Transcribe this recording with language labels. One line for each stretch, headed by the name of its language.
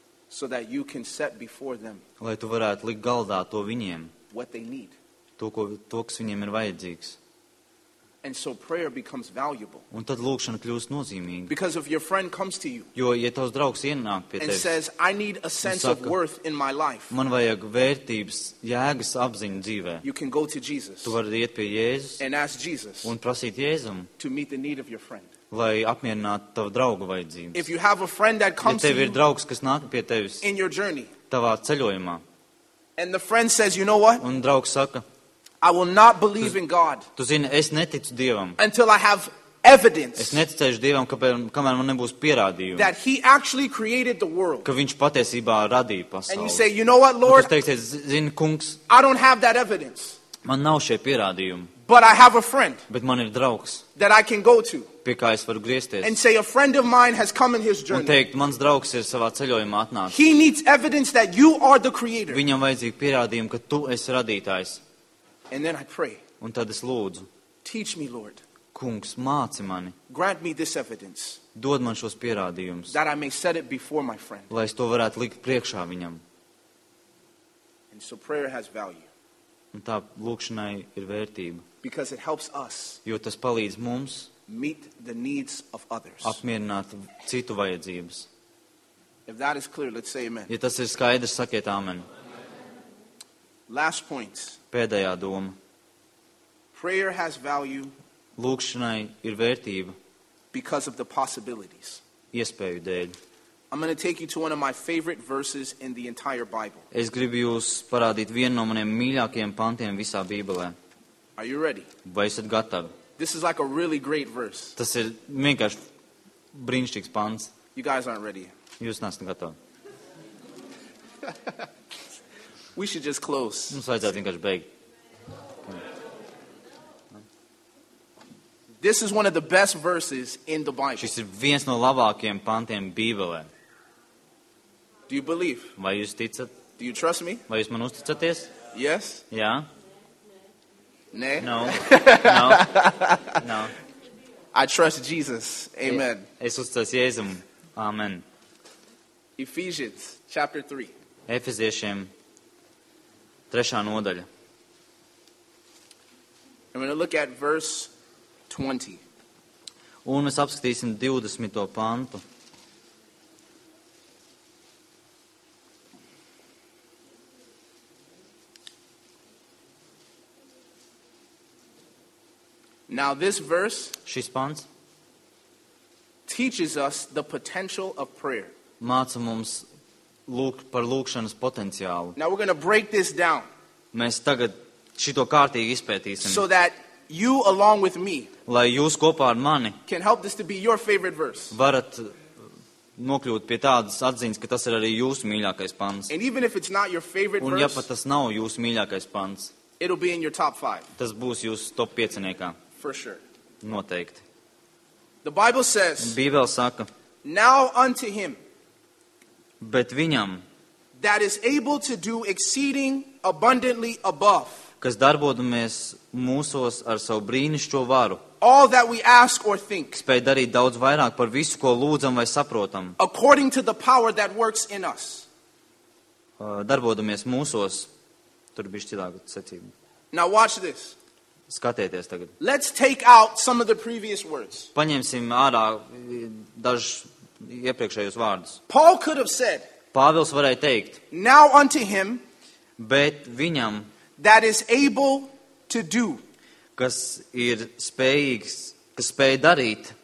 English: So that you can set before them.
Latvian: Lai tu varētu likt galdā to viņiem.
English: What they need.
Latvian: To, kas viņiem ir vajadzīgs.
English: And so prayer becomes valuable.
Latvian: Un tad lūkšana kļūst nozīmīga.
English: Because if your friend comes to you.
Latvian: Jo, ja tavs draugs ienāk pie tevis.
English: And says, I need a sense of worth in my life.
Latvian: Man vajag vērtības, jēgas apziņu dzīvē.
English: You can go to Jesus.
Latvian: Tu vari iet pie Jēzus.
English: And ask Jesus.
Latvian: Un prasīt Jēzum.
English: To meet the need of your friend.
Latvian: Lai apmierinātu tavu draugu vajadzības.
English: If you have a friend that comes to you.
Latvian: Ja tev ir draugs, kas nāk pie tevis.
English: In your journey.
Latvian: Tavā ceļojumā.
English: And the friend says, you know what?
Latvian: Un draugs saka.
English: I will not believe in God.
Latvian: Tu zini, es neticu Dievam.
English: Until I have evidence.
Latvian: Es neticēšu Dievam, kamēr man nebūs pierādījumi.
English: That he actually created the world.
Latvian: Ka viņš patiesībā radīja pasauli.
English: And you say, you know what, Lord?
Latvian: Tu teiksies, zini, kungs.
English: I don't have that evidence.
Latvian: Man nav šie pierādījumi.
English: But I have a friend.
Latvian: Bet man ir draugs.
English: That I can go to.
Latvian: Pie kā es varu griezties.
English: And say, a friend of mine has come in his journey.
Latvian: Un teikt, mans draugs ir savā ceļojumā atnācis.
English: He needs evidence that you are the creator.
Latvian: Viņam vajadzīgi pierādījumi, ka tu esi radītājs.
English: And then I pray.
Latvian: Un tad es lūdzu.
English: Teach me, Lord.
Latvian: Kungs, māci mani.
English: Grant me this evidence.
Latvian: Dod man šos pierādījumus.
English: That I may set it before my friend.
Latvian: Lai es to varētu likt priekšā viņam.
English: And so prayer has value.
Latvian: Un tā lūkšanai ir vērtība.
English: Because it helps us.
Latvian: Jo tas palīdz mums
English: meet the needs of others.
Latvian: Apmierināt citu vajadzības.
English: If that is clear, let's say amen.
Latvian: Ja tas ir skaidrs, sakiet amen.
English: Last point.
Latvian: Pēdējā doma.
English: Prayer has value.
Latvian: Lūkšanai ir vērtība.
English: Because of the possibilities.
Latvian: Iespēju dēļ.
English: I'm going to take you to one of my favorite verses in the entire Bible.
Latvian: Es gribu jūs parādīt vienu no maniem mīļākajiem pantiem visā Bībelē.
English: Are you ready?
Latvian: Vai esat gatavi?
English: This is like a really great verse.
Latvian: Tas ir vienkārši brīnišķīgs pants.
English: You guys aren't ready.
Latvian: Jūs neesat gatavi.
English: We should just close.
Latvian: Mums vajadzētu vienkārši beigt.
English: This is one of the best verses in the Bible.
Latvian: Šis ir viens no labākajiem pantiem Bībelē.
English: Do you believe?
Latvian: Vai jūs ticat?
English: Do you trust me?
Latvian: Vai jūs man uzticaties?
English: Yes?
Latvian: Jā. Ne?
English: No. No. No. I trust Jesus. Amen.
Latvian: Es uzticos Jēzum. Amen.
English: Ephesians chapter 3.
Latvian: Efeziešiem 3. Nodaļa.
English: I'm going to look at verse 20.
Latvian: Un mēs apskatīsim 20. Pantu.
English: Now this verse
Latvian: šis pants
English: teaches us the potential of prayer.
Latvian: Māca mums par lūkšanas potenciālu.
English: Now we're going to break this down.
Latvian: Mēs tagad šito kārtīgi izpētīsim.
English: So that you along with me
Latvian: lai jūs kopā ar mani
English: can help this to be your favorite verse.
Latvian: Varat nokļūt pie tādas atziņas, ka tas ir arī jūsu mīļākais pants.
English: And even if it's not your favorite
Latvian: un ja pat tas nav jūsu mīļākais pants,
English: it'll be in your top 5.
Latvian: Tas būs jūsu top 5-niekā.
English: For sure.
Latvian: Noteikti.
English: The Bible says.
Latvian: Bībele saka.
English: Now unto him.
Latvian: Bet viņam.
English: That is able to do exceeding abundantly above.
Latvian: Kas darbodamies mūsos ar savu brīnišķo varu.
English: All that we ask or think.
Latvian: Spēj darīt daudz vairāk par visu, ko lūdzam vai saprotam.
English: According to the power that works in us.
Latvian: Darbodamies mūsos. Tur bišķi cilāk secību.
English: Now watch this.
Latvian: Skatieties tagad.
English: Let's take out some of the previous words.
Latvian: Paņemsim ārā dažus iepriekšējos vārdus.
English: Paul could have said.
Latvian: Pāvils varēja teikt.
English: Now unto him.
Latvian: Bet viņam.
English: That is able to do.
Latvian: Kas ir spējīgs, kas spēj darīt.